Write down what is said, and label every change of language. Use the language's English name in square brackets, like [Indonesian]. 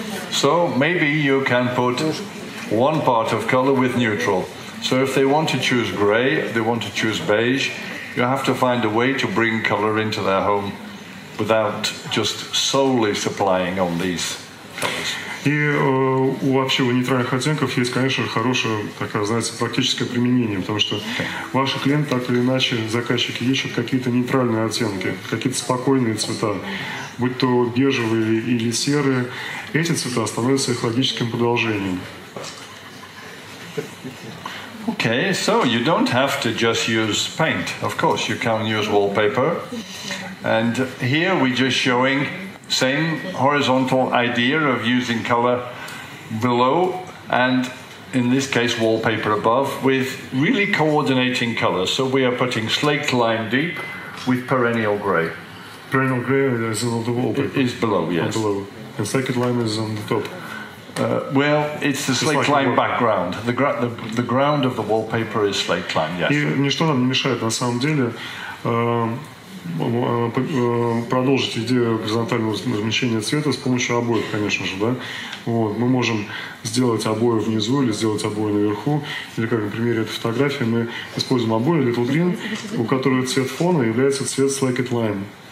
[English] So maybe you can put one part of color with neutral. So if they want to choose gray, they want to choose beige, you have to find a way to bring color into their home without just solely supplying on these colors. [Russian] И вообще у нейтральных оттенков есть, конечно, хорошее, такое, знаете, практическое применение, потому что ваши клиенты, так или иначе, заказчики, ищут какие-то нейтральные оттенки, какие-то спокойные цвета, будь то бежевые или серые. Эти цвета становятся их логическим продолжением. [English] Okay, so you don't have to just use paint. Of course, you can use wallpaper. And here we're just showing same horizontal idea of using color below and in this case, wallpaper above, with really coordinating colors. So we are putting slate lime deep with perennial gray. Perennial gray is on the wallpaper. It is below, yes. On below. And slate lime is on the top. Well, it's the slate lime background. The ground of the wallpaper is slate lime, yes. [Russian] И ничто нам не мешает, на самом деле, продолжить идею горизонтального размещения цвета с помощью обоев, конечно же, да? Вот, мы можем сделать обои внизу или сделать обои наверху, или как на примере этой фотографии мы используем обои Little Green, у которой цвет фона является цвет Slake It Lime.